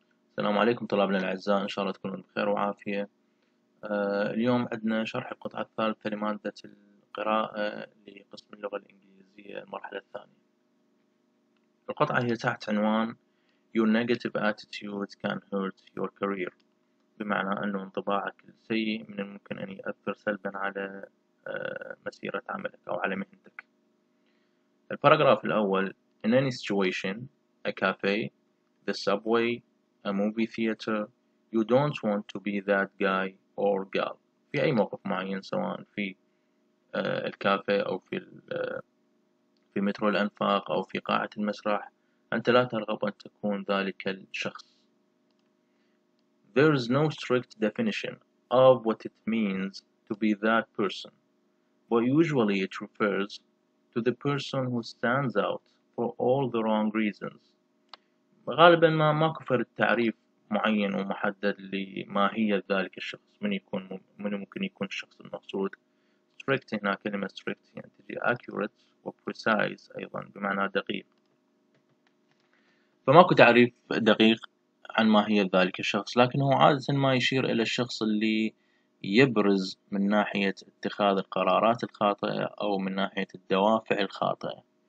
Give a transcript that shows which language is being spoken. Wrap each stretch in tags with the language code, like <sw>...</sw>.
<ar>السلام عليكم طلابنا الأعزاء، إن شاء الله تكونوا بخير وعافية. اليوم عندنا شرح القطعة الثالثة لمادة القراءة لقسم اللغة الإنجليزية المرحلة الثانية. القطعة هي تحت عنوان</ar> <en>Your negative attitude can hurt your career،</en> <ar>بمعنى أن انطباعك السيء من الممكن أن يؤثر سلبا على مسيرة عملك أو على مهنتك. الباراجراف الأول</ar> <en>In any situation, a cafe, the subway, a movie theater, you don't want to be that guy or girl.</en> <ar>في أي موقف معين، سواء في الكافيه أو في مترو الأنفاق أو في قاعة المسرح، أنت لا ترغب أن تكون ذلك الشخص.</ar> <en>There is no strict definition of what it means to be that person, but usually it refers to the person who stands out for all the wrong reasons.</en> <ar>غالبا ما كفر التعريف معين ومحدد لماهية ذلك الشخص، من ممكن يكون الشخص المقصود. strict هنا كلمة strict يعني تجي accurate و precise أيضا بمعنى دقيق، فماكو تعريف دقيق عن ماهية ذلك الشخص، لكنه عادة ما يشير إلى الشخص اللي يبرز من ناحية اتخاذ القرارات الخاطئة أو من ناحية الدوافع الخاطئة.</ar>